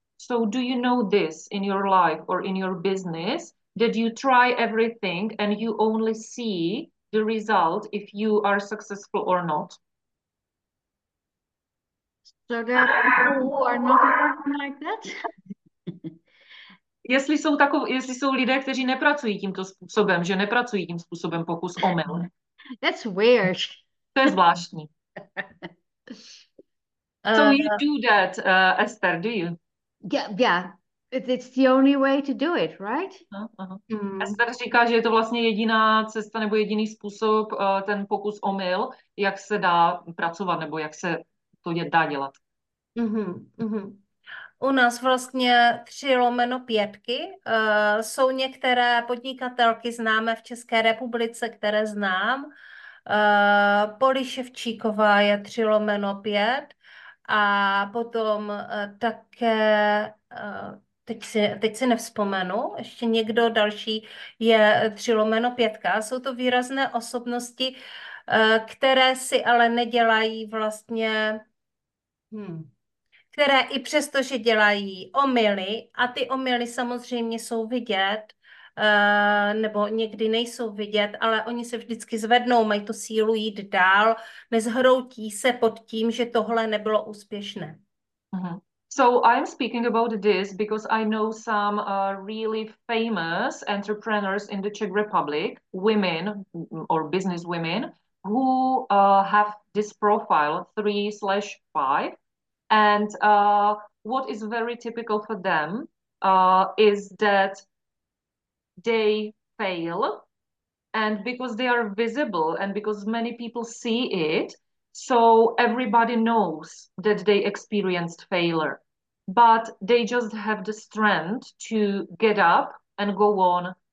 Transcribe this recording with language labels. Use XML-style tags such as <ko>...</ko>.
<en>So do you know this in your life or in your business? Did you try everything and you only see the result if you are successful or not? So there are people who are not working like that?</en> <cs>Jestli jsou takový, jestli jsou lidé, kteří nepracují tímto způsobem, že nepracují tím způsobem pokus omyl.</cs> <en>That's weird.</en> <cs>To je zvláštní.</cs> <en>So you do that, Esther, do you? Yeah, it's the only way to do it, right?</en> <cs>Esther říká, že je to vlastně jediná cesta nebo jediný způsob, ten pokus omyl, jak se dá pracovat nebo jak se to dá dělat. U nás vlastně 3/5 jsou některé podnikatelky známe v České republice, které znám. Poli Ševčíková je 3/5. A potom také, teď si nevzpomenu, ještě někdo další je 3/5. Jsou to výrazné osobnosti, které si ale nedělají vlastně, které i přesto, že dělají omyly, a ty omyly samozřejmě jsou vidět, nebo někdy nejsou vidět, ale oni se vždycky zvednou, mají tu sílu jít dál, nezhroutí se pod tím, že tohle nebylo úspěšné.</cs> <en>So I'm speaking about this because I know some really famous entrepreneurs in the Czech Republic, women or business women, who have this profile 3/5. And what is very typical for them is that they fail, and because they are visible and because many people see it, so everybody knows that they experienced failure, but they just have the strength to get up and go on.</en>